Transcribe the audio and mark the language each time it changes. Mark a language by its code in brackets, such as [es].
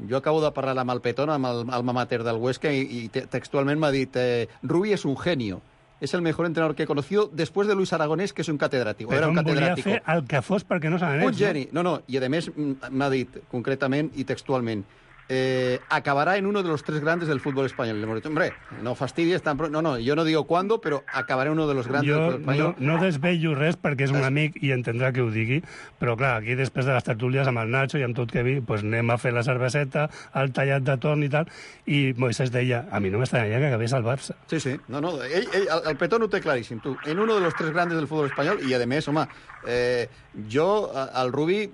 [ca] Jo acabo de parlar amb el Petón, amb l'alma mater del Huesca, i textualment m'ha dit Rubi és un genio. És el millor entrenador que he conegut després de Luis Aragonés, que és un catedràtic. Però era un catedràtic. Volia fer el que fos perquè no se n'anés. Un geni. No, no. I, a més, m'ha dit concretament i textualment acabarà [es] en uno de los 3 grandes [ca] del futbol espanyol. [es] Le hemos dicho, hombre, no fastidies tan pronto. No, yo no digo cuándo, pero acabaré en uno de los grandes yo [ca] del futbol espanyol. No desvello res perquè és un amic i entendrà que ho digui, però clar, aquí després de les tertúlies amb el Nacho i amb tot que vi, pues anem a fer la cerveseta, el tallat de torn i tal, i Moisés deia, a mi no m'estranyaria que acabés al Barça. Sí, sí. No, ell, el Petón ho té claríssim, tu. [es] En uno de los 3 grandes [ca] del futbol espanyol, i a més, home, jo, el Rubi...